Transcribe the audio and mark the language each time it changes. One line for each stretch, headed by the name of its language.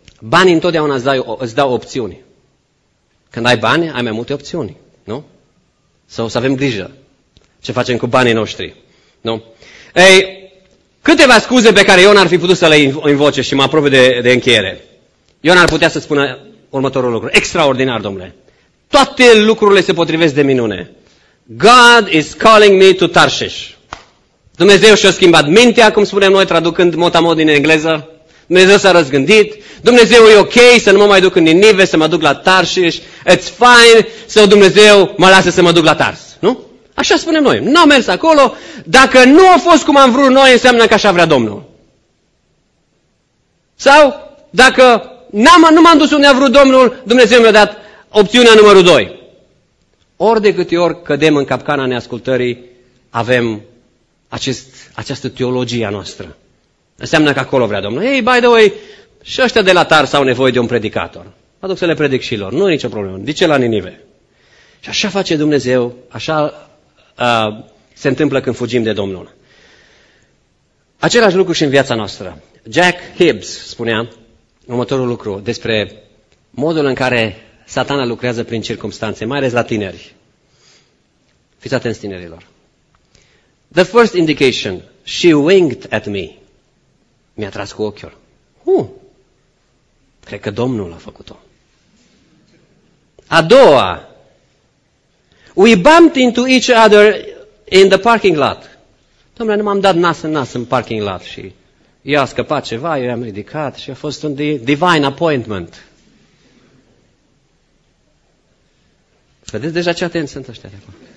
Romanian: Banii întotdeauna îți dau opțiuni. Când ai bani, ai mai multe opțiuni, nu? Sau să avem grijă ce facem cu banii noștri, nu? Ei, câteva scuze pe care Ion ar fi putut să le invoce și mă apropie de încheiere. Ion ar putea să spună următorul lucru. Extraordinar, domnule. Toate lucrurile se potrivesc de minune.
English: God is calling me to Tarshish.
Romanian: Dumnezeu și-a schimbat mintea, cum spunem noi, traducând motamod din engleză. Dumnezeu s-a răzgândit. Dumnezeu e ok să nu mă mai duc în Ninive, să mă duc la Tarshish.
English: It's fine.
Romanian: Sau Dumnezeu mă lasă să mă duc la Tars. Nu? Așa spunem noi. N-am mers acolo. Dacă nu a fost cum am vrut noi, înseamnă că așa vrea Domnul. Sau dacă nu m-am dus unde a vrut Domnul, Dumnezeu mi-a dat opțiunea numărul 2. Ori de câte ori cădem în capcana neascultării, avem această teologie a noastră. Înseamnă că acolo vrea Domnul. Ei,
English: by the way,
Romanian: și ăștia de la Tars au nevoie de un predicator. Mă duc să le predic și lor. Nu e nicio problemă. Dice la Ninive. Și așa face Dumnezeu, așa se întâmplă când fugim de Domnul. Același lucru și în viața noastră. Jack Hibbs spunea următorul lucru despre modul în care satana lucrează prin circumstanțe, mai ales la tineri. Fiți atenți, tinerilor.
English: The first indication, she winked at me.
Romanian: Mi-a tras cu ochiul. Cred că Domnul a făcut-o. A doua,
English: we bumped into each other in the parking lot.
Romanian: Domnule, nu m-am dat nas în nas în parking lot și ea a scăpat ceva, eu i-am ridicat și a fost un divine appointment. Vedeți deja ce atenți sunt ăștia de acum.